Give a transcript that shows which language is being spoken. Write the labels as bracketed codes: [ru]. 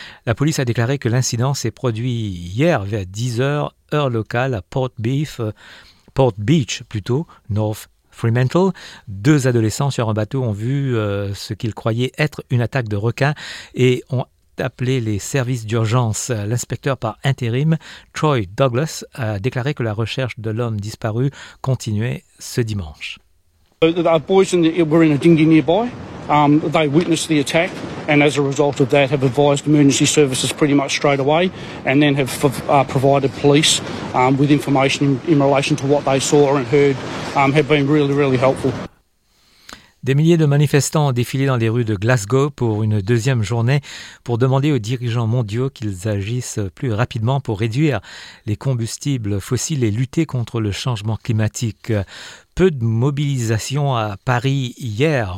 [fr] La police a déclaré que l'incident s'est produit hier vers 10h, heure locale, à Port Beach, North Fremantle. Deux adolescents sur un bateau ont vu ce qu'ils croyaient être une attaque de requin et ont appelé les services d'urgence. L'inspecteur par intérim, Troy Douglas, a déclaré que la recherche de l'homme disparu continuait ce dimanche. [en] Our boys were in a dinghy nearby. They witnessed the attack and as a result of that have advised emergency services pretty much straight away and then have provided police with information in relation to what they saw and heard have been really, really helpful. [fr] Des milliers de manifestants ont défilé dans les rues de Glasgow pour une deuxième journée pour demander aux dirigeants mondiaux qu'ils agissent plus rapidement pour réduire les combustibles fossiles et lutter contre le changement climatique. Peu de mobilisation à Paris hier.